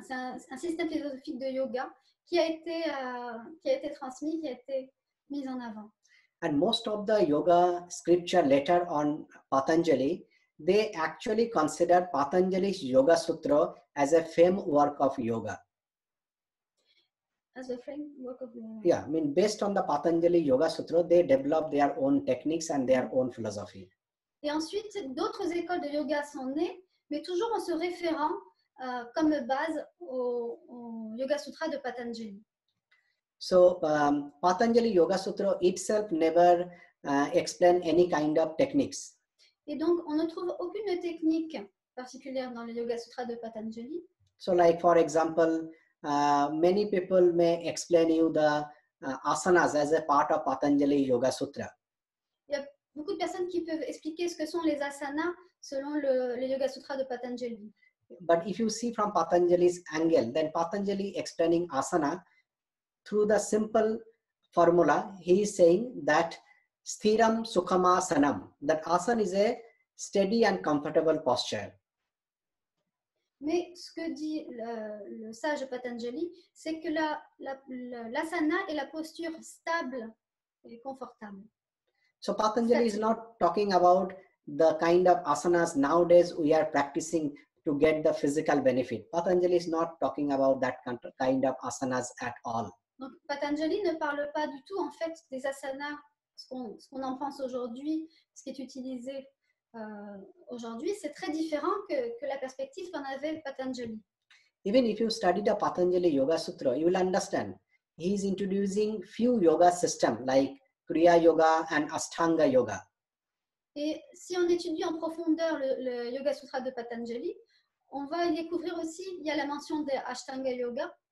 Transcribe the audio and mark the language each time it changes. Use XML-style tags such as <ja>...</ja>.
<fr>Voilà, c'est un système philosophique de yoga qui a été transmis, qui a été mis en avant.</fr> <en>And most of the yoga scripture later on Patanjali, they actually consider Patanjali's Yoga Sutra as a fame work of yoga. As a framework of yoga. Yeah, I mean, based on the Patanjali Yoga Sutra, they develop their own techniques and their own philosophy.</en> <fr>Et ensuite, d'autres écoles de yoga sont nées, mais toujours en se référant comme base au Yoga Sutra de Patanjali.</fr> <en>So, Patanjali Yoga Sutra itself never explained any kind of techniques.</en> <fr>Et donc, on ne trouve aucune technique particulière dans le Yoga Sutra de Patanjali.</fr> <en>So, like for example, many people may explain you the asanas as a part of Patanjali Yoga Sutra.</en> <fr>Il y a beaucoup de personnes qui peuvent expliquer ce que sont les asanas selon le Yoga Sutra de Patanjali.</fr> <en>But if you see from Patanjali's angle, then Patanjali explaining asana through the simple formula, he is saying that</en> <sa>sthiram sukham asanam,</sa> <en>that asana is a steady and comfortable posture.</en> <fr>Mais ce que dit le sage Patanjali, c'est que l'asana est la posture stable et confortable.</fr> <en>So Patanjali is not talking about the kind of asanas nowadays we are practicing to get the physical benefit. Patanjali is not talking about that kind of asanas at all.</en> <fr>Donc Patanjali ne parle pas du tout en fait des asanas, ce qu'on en pense aujourd'hui, ce qui est utilisé. Aujourd'hui, c'est très différent que la perspective qu'en avait Patanjali.</fr> <en>Even if you study the Patanjali Yoga Sutra, you will understand he is introducing few yoga systems like Kriya Yoga and Ashtanga Yoga.</en> <fr>Et si on étudie en profondeur le Yoga Sutra de Patanjali, on va découvrir aussi, il y a la mention de Ashtanga Yoga.</fr>